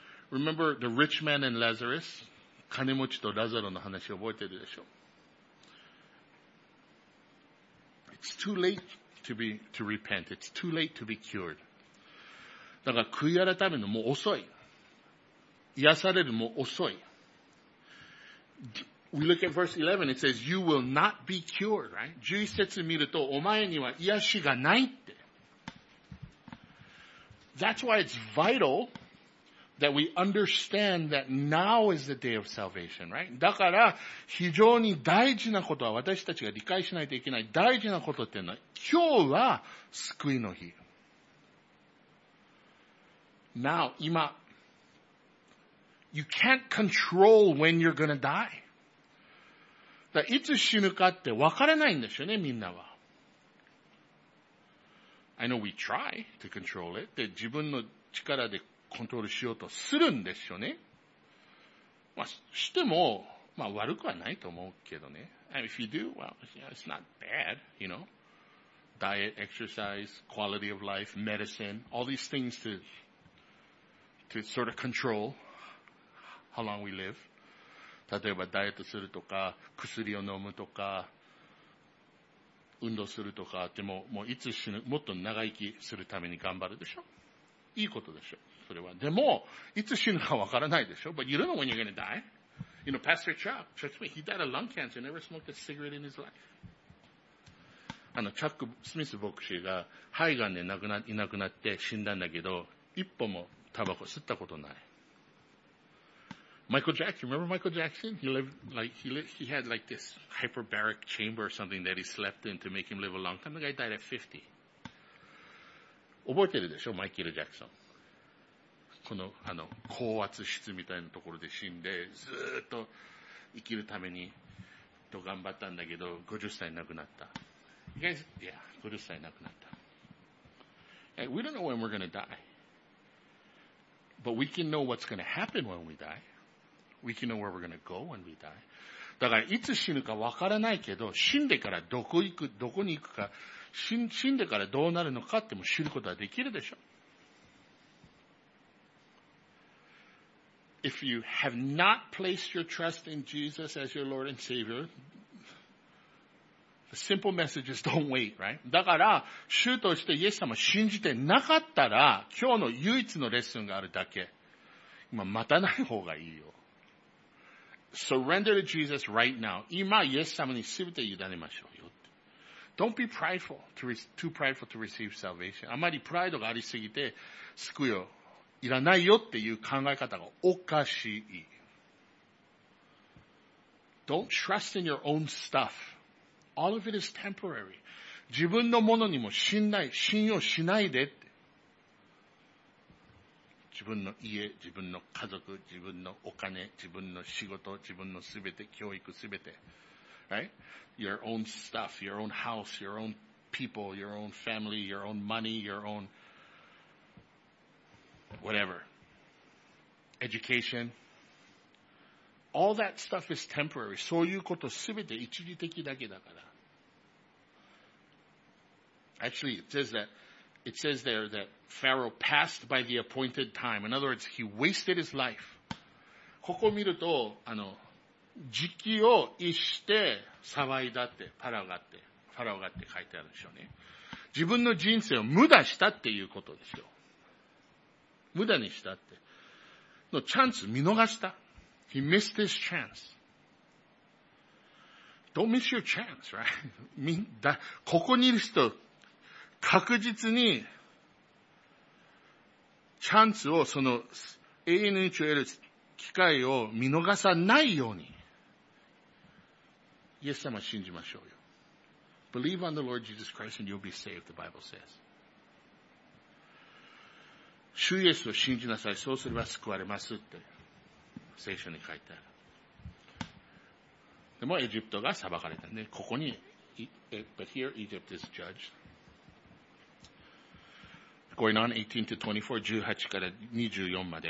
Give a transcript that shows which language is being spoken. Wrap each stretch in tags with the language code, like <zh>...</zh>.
<en>Remember the rich man and Lazarus?</en> <ja>金持ちとラザロの話覚えてるでしょ。</ja> <en>It's too late to be, to repent. It's too late to be cured.</en> <ja>だから悔い改めるのもう遅い。癒されるのもう遅い。</ja> <en>We look at verse 11, it says, you will not be cured, right?</en> <ja>11節見ると、お前には癒しがないって。</ja> <en>That's why it's vital that we understand that now is the day of salvation, right?</en> <ja>だから、非常に大事なことは私たちが理解しないといけない大事なことっていうのは、今日は救いの日。</ja> <en>Now, 今、you can't control when you're gonna die.</en> <ja>だいつ死ぬかって分からないんですよね、みんなは。</ja> <en>I know we try to control it.</en> <ja>で、自分の力でコントロールしようとするんですよね。まあ、しても、まあ悪くはないと思うけどね。</ja> <en>And if you do, well, it's not bad, you know. Diet, exercise, quality of life, medicine, all these things to sort of control how long we live.</en> <ja>例えばダイエットするとか、薬を飲むとか、運動するとか、でも、もういつ死ぬ、もっと長生きするために頑張るでしょ？いいことでしょ？それは。でも、いつ死ぬかわからないでしょ？</ja> <en>But you don't know when you're gonna die. You know, Pastor Chuck, trust me, he died of lung cancer, never smoked a cigarette in his life.</en> <ja>チャック・スミス牧師が肺がんでいなくなって死んだんだけど、一歩もタバコ吸ったことない。</ja> <en>Michael Jackson, remember Michael Jackson? He had like this hyperbaric chamber or something that he slept in to make him live a long time. The guy died at 50.</en> <ja>覚えてるでしょ、マイケル・ジャクソン。この、高圧室みたいなところで死んで、ずっと生きるために、と頑張ったんだけど、50歳亡くなった。</ja> <en>You guys, yeah,</en> <ja>50歳亡くなった。</ja> <en>Hey, we don't know when we're gonna die. But we can know what's gonna happen when we die. We can know where we're gonna go when we die.</en> <ja>だから、いつ死ぬかわからないけど、死んでからどこに行くか、死んでからどうなるのかっても知ることはできるでしょ。</ja> <en>If you have not placed your trust in Jesus as your Lord and Savior, the simple message is don't wait, right?</en> <ja>だから、主としてイエス様を信じてなかったら、今日の唯一のレッスンがあるだけ。今、待たない方がいいよ。</ja> <en>Surrender to Jesus right now.</en> <ja>今、イエス様に全て委ねましょうよ。</ja> <en>Don't be prideful, too prideful to receive salvation.</en> <ja>あまりプライドがありすぎて、救いをいらないよっていう考え方がおかしい。</ja> <en>Don't trust in your own stuff. All of it is temporary.</en> <ja>自分のものにも信用しないでって。自分の家、自分の家族、自分のお金、自分の仕事、自分のすべて、教育すべて。</ja> <en>Right? Your own stuff, your own house, your own people, your own family, your own money, your own whatever. Education. All that stuff is temporary.</en> <ja>そういうことすべて一時的だけだから。</ja> <en>Actually, it says there that Pharaoh passed by the appointed time. In other words, he wasted his life.</en> <ja>ここ見ると、時期を逸して騒いだって、ファラオがって書いてあるでしょうね。自分の人生を無駄したっていうことですよ。無駄にしたって。のチャンス見逃した。</ja> <en>He missed his chance. Don't miss your chance, right?</en> <ja>ここにいる人、確実に、チャンスを、その、永遠の命を得る機会を見逃さないように、イエス様を信じましょうよ。</ja> <en>Believe on the Lord Jesus Christ and you'll be saved, the Bible says.</en> <ja>主イエスを信じなさい、そうすれば救われますって、聖書に書いてある。でも、エジプトが裁かれたね。ここに、</ja> <en>But here, Egypt is judged. Going on 18 to 24,</en> <ja>18から24まで。</ja>